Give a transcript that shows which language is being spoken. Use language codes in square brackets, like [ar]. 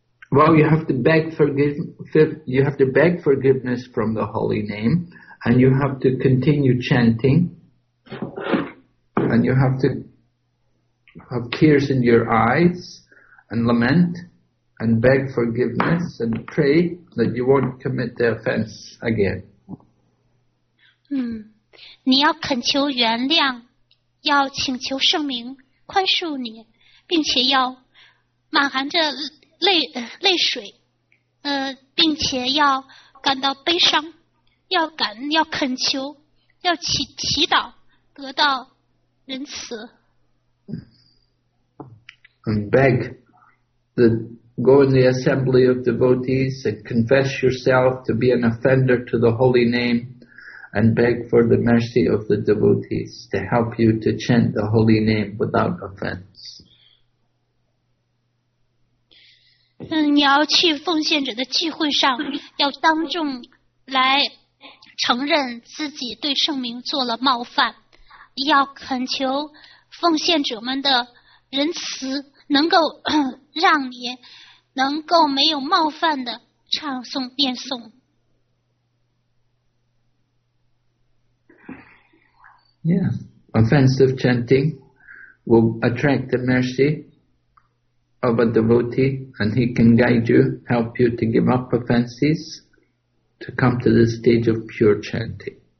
[en] Well, you have to beg forgiveness from the holy name, and you have to continue chanting, and you have to have tears in your eyes and lament. And beg forgiveness and pray that you won't commit the offense again. [zh] 你要恳求原谅，要请求圣明宽恕你，并且要满含着泪水，并且要感到悲伤，要恳求，要祈祷得到仁慈。 [en] And beg the. Go in the assembly of devotees and confess yourself to be an offender to the holy name and beg for the mercy of the devotees to help you to chant the holy name without offense. [zh] 你要去奉献者的聚会上，要当众来承认自己对圣名做了冒犯，要恳求奉献者们的仁慈，能够让你能够没有冒犯的唱诵念诵。 [en] Yeah, offensive chanting will attract the mercy of a devotee, and he can guide you, help you to give up offenses, to come to the stage of pure chanting.